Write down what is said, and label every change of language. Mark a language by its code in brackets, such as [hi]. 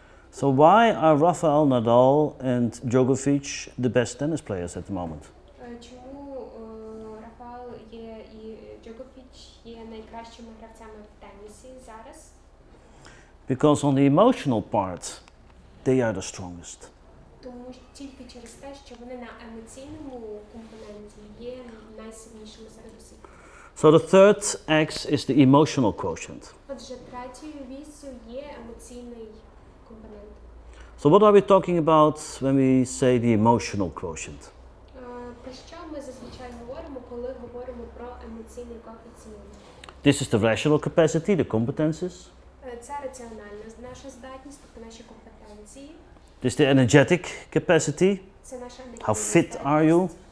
[en] So why are Rafael Nadal and Djokovic the best tennis players at the moment? [uk] Чому Рафаел є і Джокович є найкращими гравцями в тенісі зараз? [en] Because on the emotional part, they are the strongest. [uk] Тому тільки через те, що вони на емоційному компоненті є найсильнішими серед усіх. [en] So the third X is the emotional quotient. [uk] Отже, третьою вісю є емоційний компонент. [en] So what are we talking about when we say the emotional quotient? [uk] Про що ми зазвичай говоримо, коли говоримо про емоційний коефіцієнт? [en] This is the rational capacity, the competences. [uk] Це раціональна наша здатність, тобто наші компетенції. [en] This is the energetic capacity. [uk] Це наша енергія. [en] How fit are you?